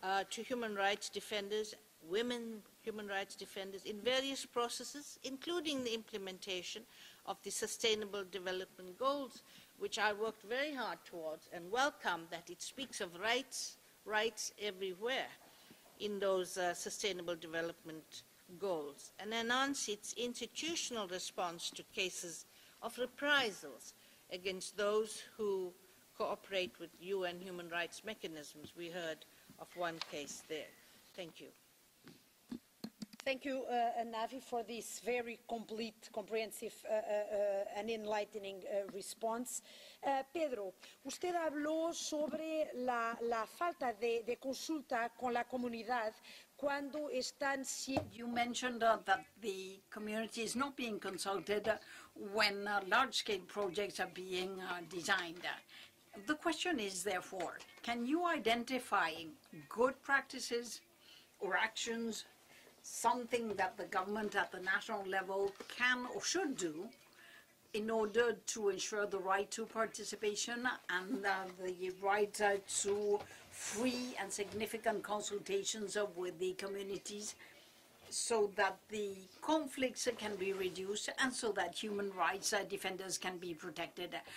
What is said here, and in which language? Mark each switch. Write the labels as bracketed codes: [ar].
[en] to human rights defenders, women human rights defenders, in various processes, including the implementation of the Sustainable Development Goals, which I worked very hard towards and welcome that it speaks of rights everywhere in those Sustainable Development Goals, and announce its institutional response to cases of reprisals against those who cooperate with UN human rights mechanisms. We heard of one case there. Thank you. Thank you, Navi, for this very complete, comprehensive and enlightening response. [es] Pedro, usted habló sobre la falta de consulta con la comunidad cuando están... [en] You mentioned that the community is not being consulted when large-scale projects are being designed. The question is, therefore, can you identify good practices or actions, something that the government at the national level can or should do in order to ensure the right to participation and the right to free and significant consultations with the communities so that the conflicts can be reduced and so that human rights defenders can be protected?